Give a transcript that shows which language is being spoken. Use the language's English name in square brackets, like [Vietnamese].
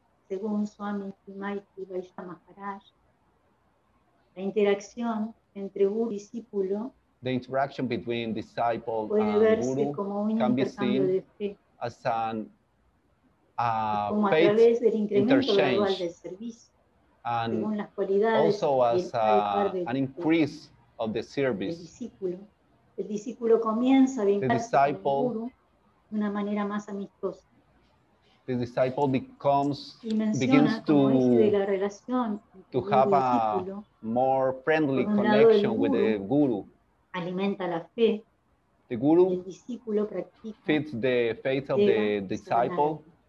[Spanish] Según Swami Maitri Vaishnava Maharaj, la interacción entre guru y discípulo, [English] the interaction between disciple and guru can be seen as an faith interchange, and also as an increase of the service. [Spanish] El discípulo comienza a vincularse con el guru de una manera más amistosa. [English] The disciple begins to have a more friendly connection with the guru. [Spanish] Alimenta la fe. [English] The guru feeds the faith of the disciple.